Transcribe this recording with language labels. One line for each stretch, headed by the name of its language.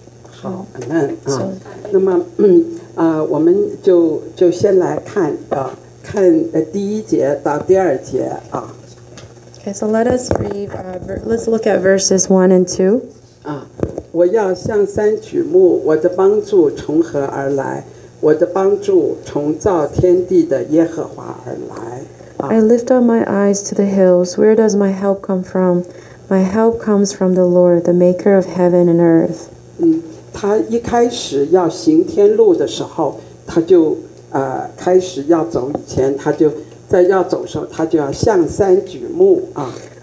Chinese: 好，那啊，那么我们就先来看啊，看第一节到第二节啊。
English: Okay, so let us read. Let's look at verses 1 and 2.
Chinese: 啊，我要向山举目，我的帮助从何而来？我的帮助从造天地的耶和华而来。
English: I lift up my eyes to the hills. Where does my help come from? My help comes from the Lord, the Maker of heaven and earth.
Chinese: 他一开始要行天路的时候，他就开始要走以前，他就在要走的时候，他就要向山举目啊。